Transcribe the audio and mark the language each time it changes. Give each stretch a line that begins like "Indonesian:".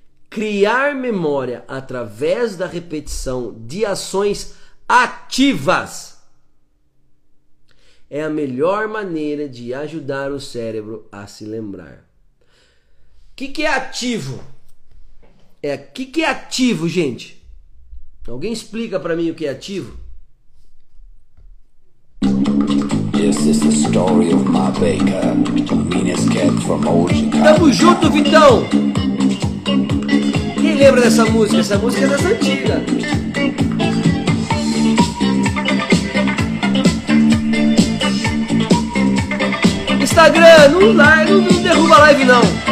Portuguese: Criar memória através da repetição de ações ativas é a melhor maneira de ajudar o cérebro a se lembrar. Que é ativo? Que é ativo, gente? Alguém explica para mim o que é ativo?
English: This is the story of my baker, the meanest cat from old Chicago.
Portuguese: Tamo junto, Vitão! Quem lembra dessa música? Essa música é das antigas. Instagram, não, não, não derruba a live, não.